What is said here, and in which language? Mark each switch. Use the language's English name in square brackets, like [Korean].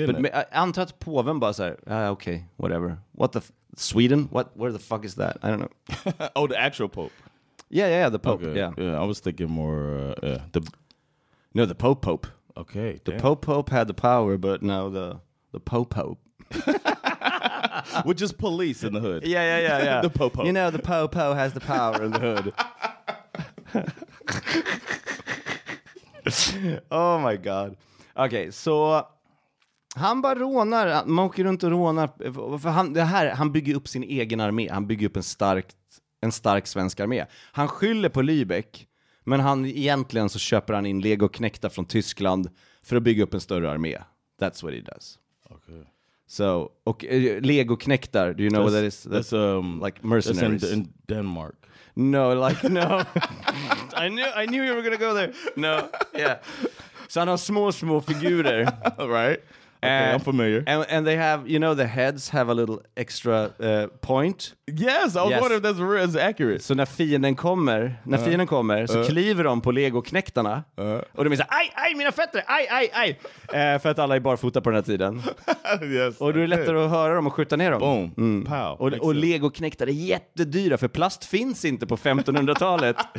[Swedish] But antar att påven bara så här, okay, whatever. [English] What the... Sweden? What? Where the fuck is that? I don't know. Oh, the actual pope. Yeah, the pope, okay. Yeah. Yeah, I was thinking more... the pope. Okay. The pope had the power, but now the pope. Which is police in the hood. Yeah. The popo. You know, the popo has the power in the hood. Oh, my God. Okay, so [Swedish] Han bara rånar, man åker runt och rånar. För han, det här, han bygger upp sin egen armé. Han bygger upp en stark svensk armé. Han skyller på Lübeck, men han egentligen så köper han in legoknäkta från Tyskland för att bygga upp en större armé. [English] That's what he does. Okay. So, [Swedish] och legoknäktar, [English] do you know that's, what that is? That's like mercenaries. That's in Denmark. No, like, no. I knew you were gonna go there. No, yeah. [Swedish] Så han har små figurer. [English] Right. Okay, I'm familiar. And they have, you know, the heads have a little extra point. Yes, I was wondering if that's really accurate. [Swedish] So när fienden kommer, så kliver de på legoknäktarna. Och de är så här, aj, mina fötter, aj. För att alla är barfota på den här tiden. Yes. Och då är det lättare att höra dem och skjuta ner dem. [English] Boom, pow. [Swedish] Och legoknäktar är jättedyra, för plast finns inte på 1500-talet.